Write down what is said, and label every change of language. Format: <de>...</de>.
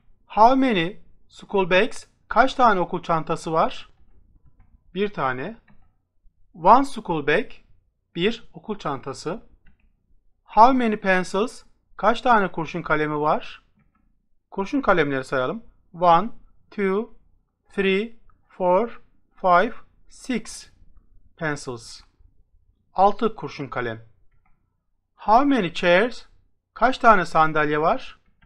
<en>How many school bags?</en> <tr>Kaç tane okul çantası var? Bir tane.</tr> <en>One school bag.</en> <tr>Bir okul çantası.</tr> <en>How many pencils?</en> <tr>Kaç tane kurşun kalemi var? Kurşun kalemleri sayalım.</tr> <en>One, two, three, four, five, six pencils.</en> <tr>Altı kurşun kalem.</tr> <en>How many chairs?</en> <tr>Kaç tane sandalye var?</tr>